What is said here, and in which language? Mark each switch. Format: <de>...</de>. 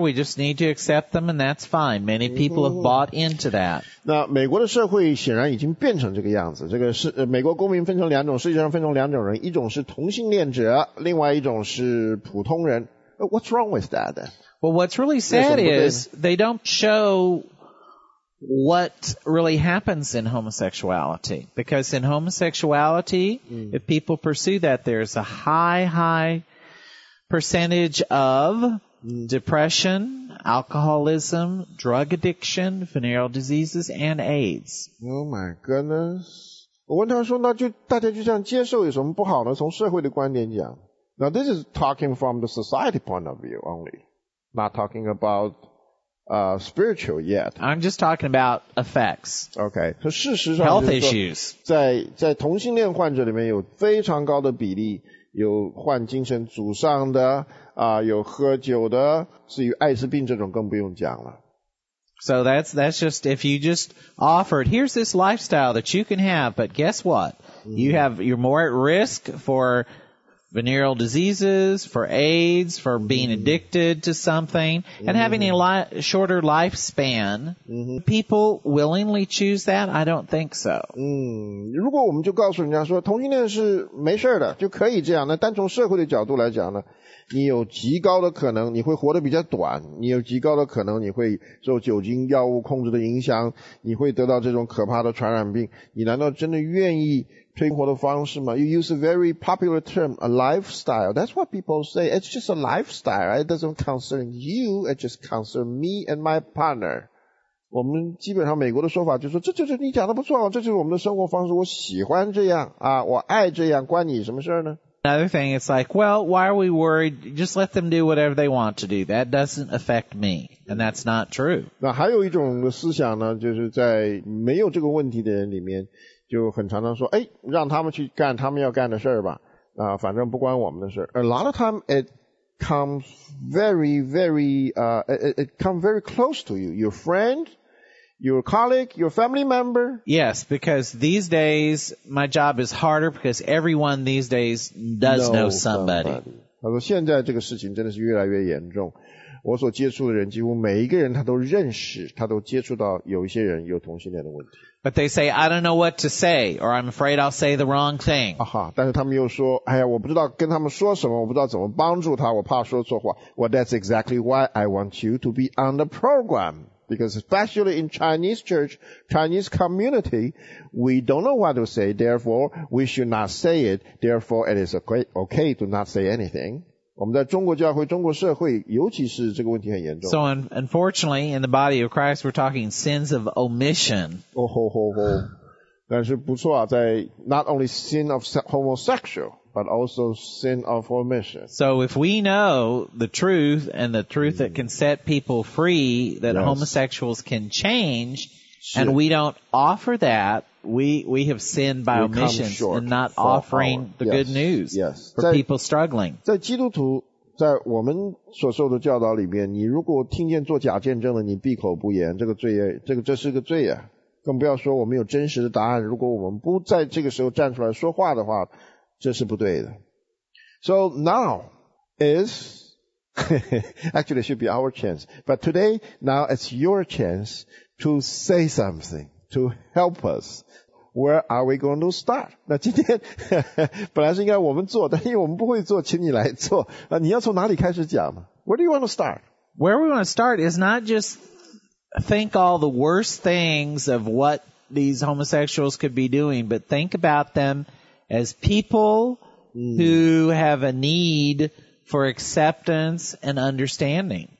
<en>We just need to accept them and that's fine. Many people have bought into that.</en> <zh>那美国的社会显然已经变成这个样子。这个是美国公民分成两种，世界上分成两种人，一种是同性恋者，另外一种是普通人。</zh> <en>What's wrong with that? Well, what's really sad is they don't show... what really happens in homosexuality. Because in homosexuality, if people pursue that, there's a high percentage of depression, alcoholism, drug addiction, venereal diseases, and AIDS. Oh my goodness.</en> <zh>我问他说那就大家就这样接受有什么不好呢从社会的观点讲。</zh> <en>Now this is talking from the society point of view only. Not talking aboutspiritual yet. I'm just talking about effects. Okay. So,</en> <zh>事实上</zh> <en>health issues.</en> <zh>在同性恋患者里面有非常高的比例有患精神阻丧的有喝酒的至于艾滋病这种更不用讲了。</zh> <en>So that's just, if you just offered, here's this lifestyle that you can have, but guess what? You're more at risk for venereal diseases, for AIDS, for being addicted to something, and having a shorter lifespan, people willingly choose that? I don't think so.</en> <zh>如果我们就告诉人家说同性恋是没事的就可以这样那单从社会的角度来讲呢你有极高的可能你会活得比较短你有极高的可能你会受酒精药物控制的影响你会得到这种可怕的传染病你难道真的愿意生活的方式吗</zh> <en>You use a very popular term, a lifestyle. That's what people say. It's just a lifestyle. It doesn't concern you. It just concerns me and my partner.</en> <zh>我们基本上美国的说法就是说这你讲的不错这就是我们的生活方式我喜欢这样啊，我爱这样关你什么事呢</zh> <en>Another thing, it's like, well, why are we worried? Just let them do whatever they want to do. That doesn't affect me. And that's not true.</en> <zh>那还有一种思想呢就是在没有这个问题的人里面就很常常说哎，让他们去干他们要干的事吧反正不关我们的事。</zh> <en>A lot of time, it comes very close to you. Your friend, your colleague, your family member. Yes, because these days, my job is harder because everyone these days does know somebody.</en> <zh>他说现在这个事情真的是越来越严重。我所接触的人几乎每一个人他都认识他都接触到有一些人有同性恋的问题。</zh> <en>But they say, I don't know what to say, or I'm afraid I'll say the wrong thing.</en> <zh>啊哈，但是他们又说，哎呀，我不知道跟他们说什么，我不知道怎么帮助他，我怕说错话。</zh> <en>Well, that's exactly why I want you to be on the program. Because especially in Chinese church, Chinese community, we don't know what to say, therefore we should not say it, therefore it is okay to not say anything.</en> <zh>我们在中国教会中国社会尤其是这个问题很严重。</zh> <en>So unfortunately, in the body of Christ, we're talking sins of omission. Oh, oh, oh, oh.</en> <zh>但是不错啊在</zh> <en>not only sin of homosexual, but also sin of omission. So if we know the truth and the truth that can set people free, that yes. homosexuals can change, and we don't offer that,We have sinned by omission and not offering the good news for people struggling.</en> <zh>在基督徒在我们所受的教导里面你如果听见做假见证的你闭口不言这个罪业这是个罪业更不要说我们有真实的答案如果我们不在这个时候站出来说话的话这是不对的。</zh> <en>So now is, actually it should be our chance, but today, now it's your chance to say something. To help us, where are we going to start?</en> <zh>那今天本来是应该我们做，但因为我们不会做，请你来做。那你要从哪里开始讲嘛 ？</zh> <en>Where do you want to start? Where we want to start is not just think all the worst things of what these homosexuals could be doing, but think about them as people who have a need for acceptance and understanding.</en>